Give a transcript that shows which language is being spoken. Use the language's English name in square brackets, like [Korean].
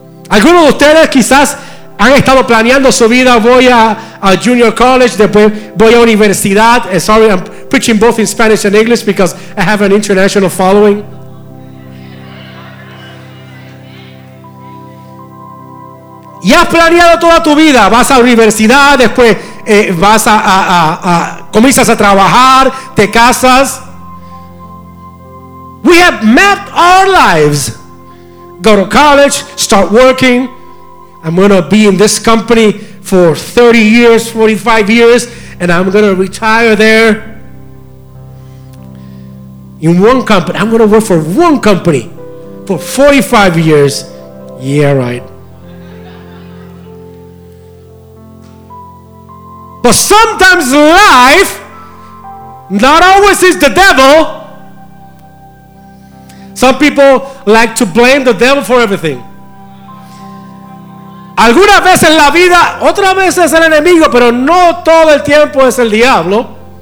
[Spanish] Algunos de ustedes quizás han estado planeando su vida. Voy a junior college, después voy a universidad. [English] Sorry, I'm preaching both in Spanish and English because I have an international following. [Spanish] Y has planeado toda tu vida. Vas a universidad, después vas a comienzas a trabajar, te casas. [English] We have mapped our lives. Go to college, start working. I'm going to be in this company for 30 years, 45 years, and I'm going to retire there in one company. I'm going to work for one company for 45 years. Yeah, right. But sometimes life, not always is the devil. Some people like to blame the devil for everything. [Spanish] Algunas veces la vida, otras veces el enemigo, pero no todo el tiempo es el diablo.